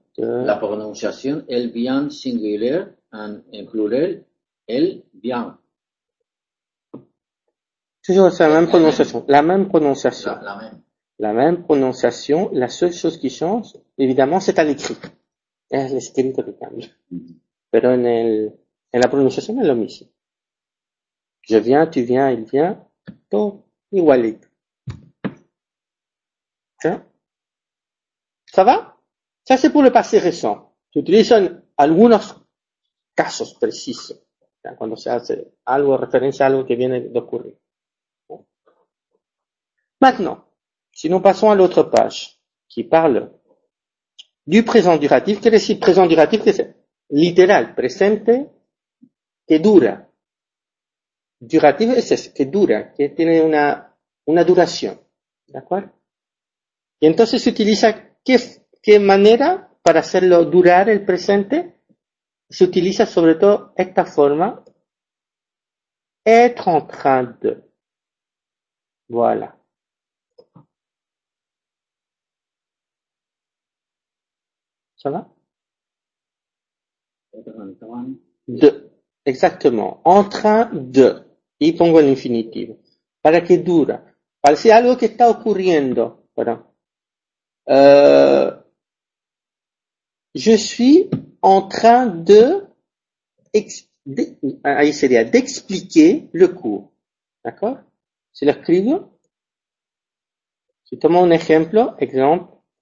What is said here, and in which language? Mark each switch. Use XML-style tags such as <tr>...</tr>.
<fr>La prononciation, elle vient singulier,</fr> <es>en plural,</es> <fr>elle vient. Toujours c'est la même prononciation. La même prononciation. La même prononciation. La seule chose qui change, évidemment, c'est à l'écrit.</fr> <es>Es el escrito que cambia. Pero en la prononciación es lo mismo.</es> <fr>Je viens, tu viens, il vient.</fr> <es>Todo igualito.</es> <fr>¿Sí? ¿Ça va? Ça c'est pour le passé récent.</fr> <es>Se utilizan algunos casos precisos. ¿Sí? Cuando se hace algo, referencia a algo que viene de ocurrir.</es> <fr>Maintenant, si nous passons à l'autre page qui parle du présent duratif, quel est le présent duratif?</fr> <es>Que</es> <fr>c'est littéral,</fr> <es>presente, que dura. Duratif,</es> <fr>c'est que</fr> <es>dura, que tiene una duración.</es> <fr>D'accord?</fr> <es>Y entonces se utiliza, ¿qué manera para hacerlo durar el presente? Se utiliza sobre todo esta forma.</es> <fr>Être en train de. Voilà. Ça va?</fr> <es>De.</es> <fr>Exactement. En train de.</fr> <es>Y pongo el infinitivo. Para que dure. Para que algo que está ocurriendo. Voilà.</es> <fr>Je suis en train d'expliquer le cours. D'accord?</fr> <es>Si lo escribo. Si tomo un ejemplo, exemple.</es>